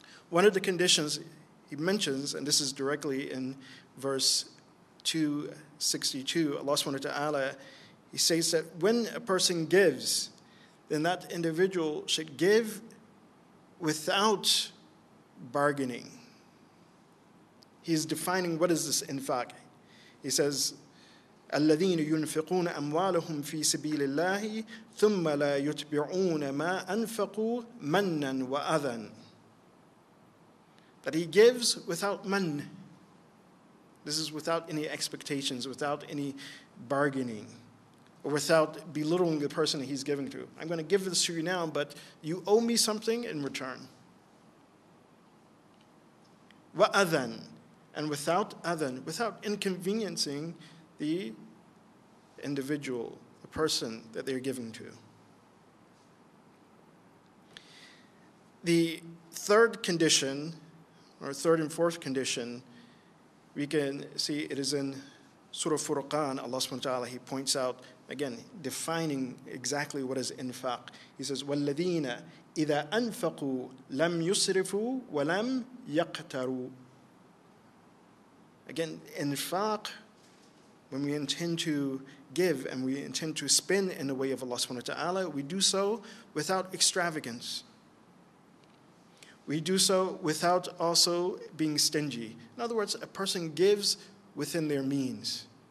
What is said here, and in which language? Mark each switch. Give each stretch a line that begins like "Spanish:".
English: One of the conditions he mentions, and this is directly in verse 262, Allah subhanahu wa ta'ala, he says that when a person gives, then that individual should give without bargaining. He's defining what is this infaq. He says,
Arabic: الَّذِينَ يُنْفِقُونَ أَمْوَالَهُمْ فِي سَبِيلِ اللَّهِ ثُمَّ لَا يُتْبِعُونَ مَا أَنْفَقُوا مَنًّا وَأَذًا.
English: That he gives without man. This is without any expectations, without any bargaining, or without belittling the person that he's giving to. I'm going to give this to you now, but you owe me something in return.
Arabic: وَأَذًا.
English: And without أَذًا, without inconveniencing the individual, the person that they're giving to. The third condition, or third and fourth condition, we can see it is in Surah Furqan. Allah subhanahu wa ta'ala, he points out, again, defining exactly what is infaq. He says,
Arabic: وَالَّذِينَ إِذَا أَنْفَقُوا لَمْ يُسْرِفُوا وَلَمْ يَقْتَرُوا.
English: Again, infaq, when we intend to give and we intend to spend in the way of Allah subhanahu wa ta'ala, we do so without extravagance. We do so without also being stingy. In other words, a person gives within their means.